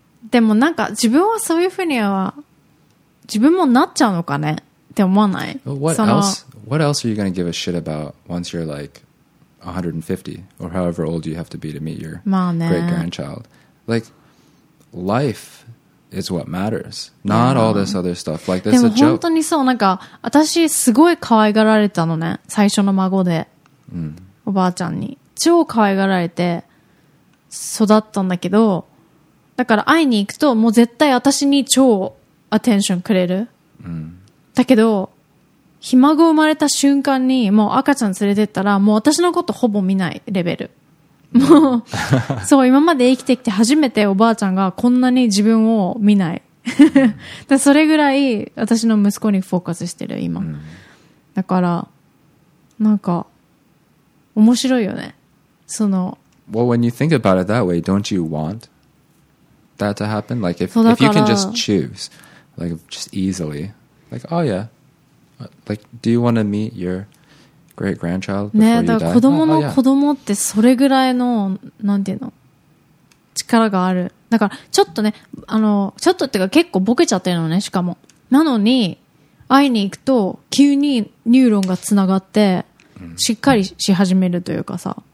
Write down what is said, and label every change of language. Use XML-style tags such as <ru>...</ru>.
<ja>でもなんか自分はそういうふうには自分もなっちゃうのかねって思わない。</ja> <en>What else are you going to give a shit about once you're like... 150 or however old you have to be to meet your great-grandchild. Like, life is what matters. Not all this other stuff. Like, this is a joke.</en> <ja>でも本当にそう、なんか、私すごい可愛がられたのね。最初の孫で。うん。おばあちゃんに。超可愛がられて育ったんだけど、だから会いに行くと、もう絶対私に超アテンションくれる。うん。だけど、ひ孫生まれた瞬間にもう赤ちゃん連れてったらもう私のことほぼ見ないレベル。もう、そう、今まで生きてきて初めておばあちゃんがこんなに自分を見ないだそれぐらい私の息子にフォーカスしてる今、うん、だからなんか面白いよねその</ja> <en>Well, when you think about it that way, don't you want that to happen? Like if you can just choose, like just easily, like oh yeah, like do you want to meet your great grandchild before</en> <ja>ね、だから子供の子供ってそれぐらいのなんていうの力がある。だからちょっとね、あのちょっとってか結構ボケちゃってるのね。しかもなのに会いに行くと急にニューロンがつながってしっかりし始めるというかさ。</ja>